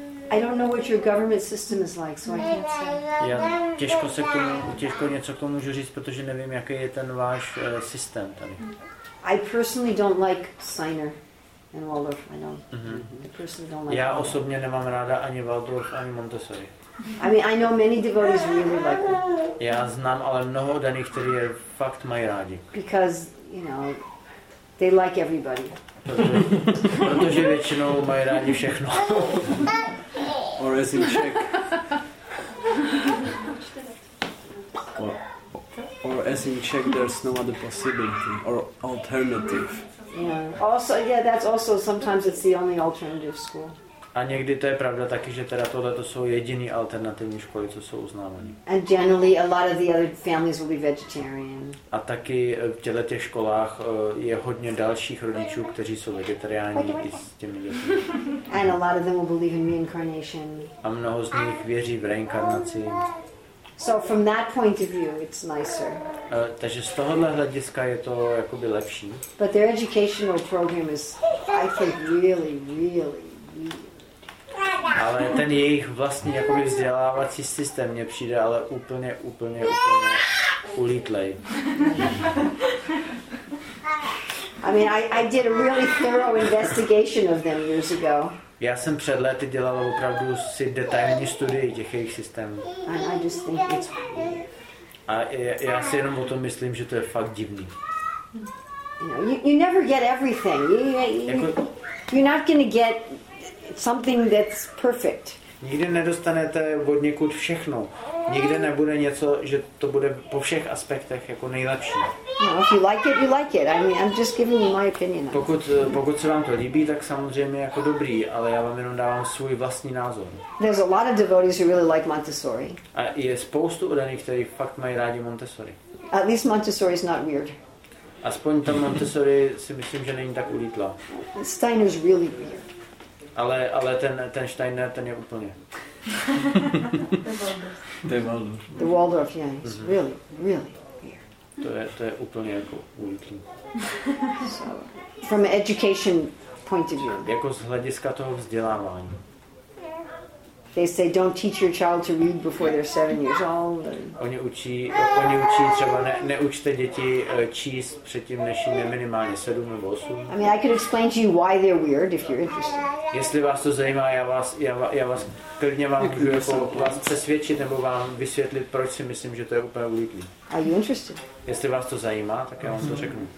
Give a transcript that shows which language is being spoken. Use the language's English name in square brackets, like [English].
[English] I don't know what your government system is like, so I can't say. [Czech] Já těžko něco k tomu můžu říct, protože nevím, jaký je ten váš systém tady. [English] I personally don't like Steiner and Waldorf. I know. Mm-hmm. I personally don't like. [Czech] Já osobně nemám ráda ani Waldorf ani Montessori. [English] I mean, I know many devotees really like them. [Czech] Já znám ale mnoho daných, kteří je fakt mají rádi. [English] Because, you know, they like everybody. [Czech] Protože většinou mají rádi všechno. [English] Or as in Czech. Or as in Czech, there's no other possibility or alternative. Yeah. That's also sometimes it's the only alternative school. [Czech] A někdy to je pravda taky, že teda tohle to jsou jediný alternativní školy, co jsou uznávaní. [English] And generally a lot of the other families will be vegetarian. [Czech] A taky v těch školách je hodně dalších rodičů, kteří jsou vegetariáni i s těmi dětmi. [English] And a lot of them will believe in reincarnation. [Czech] A mnoho z nich věří v reinkarnaci. [English] So from that point of view, it's nicer. [Czech] Takže z tohohle hlediska je to jakoby lepší. [English] But their educational program is, I think, really, really. [Czech] Ale ten jejich vlastní jakoby vzdělávací systém mě přijde ale úplně ulítlej. [English] I mean, I did a really thorough investigation of them years ago. [Czech] Já jsem před lety dělal opravdu si detailní studii těch jejich systémů. [English] And I just think it's [Czech] a já si jenom o tom myslím, že to je fakt divný. [English] You know, you never get everything. You, [Czech] jako, [English] You're not going to get something that's perfect. [Czech] Nikdy nedostanete od někud všechno. Nikdy nebude něco, že to bude po všech aspektech jako nejlepší. [English] No, if you like it, you like it. I mean, I'm just giving you my opinion. [Czech] Pokud se vám to líbí, tak samozřejmě jako dobrý, ale já vám jenom dávám svůj vlastní názor. [English] There's a lot of devotees who really like Montessori. [Czech] A je spoustu odaných, kteří fakt mají rádi Montessori. [English] At least Montessori is not weird. [Czech] Aspoň ta Montessori si myslím, že není tak ulítla. [English] Steiner's really weird. [Czech] Ale ten Steiner, ten je úplně. [English] The Waldorf. The Waldorf, yeah, he's mm-hmm. really, really weird. [Czech] To je úplně jako ulítlý. [English] So, from an education point of view. [Czech] Jako z hlediska toho vzdělávání. [English] They say don't teach your child to read before they're 7 years old. [Czech] Oni učí třeba neučte děti číst předtím, než jim je minimálně 7 nebo 8. [English] I mean, I could explain to you why they're weird if you're interested. [Czech] Jestli vás to zajímá, já vás klidně vám můžu jako vás přesvědčit nebo vám vysvětlit, proč si myslím, že to je úplně ulítlý. [English] Are you interested? [Czech] Jestli vás to zajímá, tak já vám to řeknu.